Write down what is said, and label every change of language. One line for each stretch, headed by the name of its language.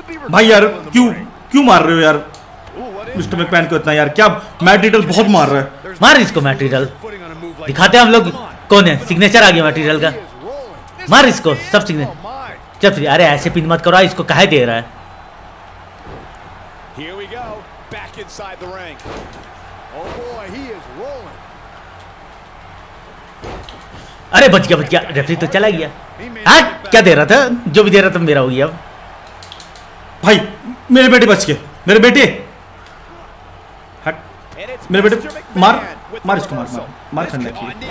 Hindi: भाई यार क्यों क्यों मार रहे हो यार मिस्टर मैकमैन को इतना यार, क्या मैट रिडल बहुत मार रहा है। मार इसको मैट रिडल, दिखाते हैं हम लोग कौन है, सिग्नेचर आ गया मैट रिडल का। मार इसको सब सिग्नेचर चल फिर, अरे ऐसे पिन मत करो, इसको काहे दे रहा है।
English: Here we go, back inside the ring. Oh boy, he is rolling.
Hindi: अरे बच गया बच गया, रेफरी तो चला गया। हाँ क्या दे रहा था, जो भी दे रहा था मेरा हो गया। अब भाई मेरे बेटे बच गए, मेरे बेटे हट, मेरे बेटे मार मार इसको, मार मार खंडा की।